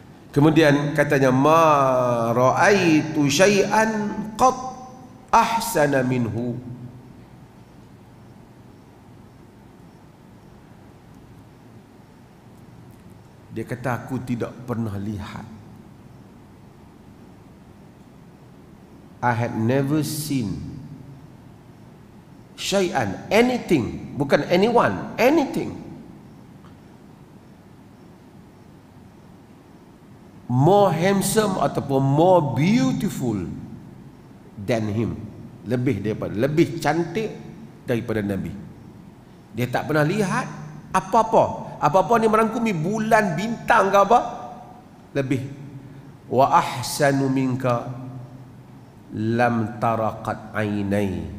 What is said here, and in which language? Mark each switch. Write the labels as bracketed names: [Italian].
[Malay] Kemudian katanya [Arabic] ma raaitu syai'an qat ahsana minhu. [Malay] Dia kata aku tidak pernah lihat. [English] I had never seen syai'an, anything, [Malay] bukan [English] anyone, anything more handsome [Malay] ataupun [English] more beautiful than him. [Malay] Lebih daripada, lebih cantik daripada Nabi. Dia tak pernah lihat apa-apa. Apa-apa ni merangkumi bulan, bintang ke apa? Lebih. [Arabic] Wa ahsanu minka lam taraqat ainai.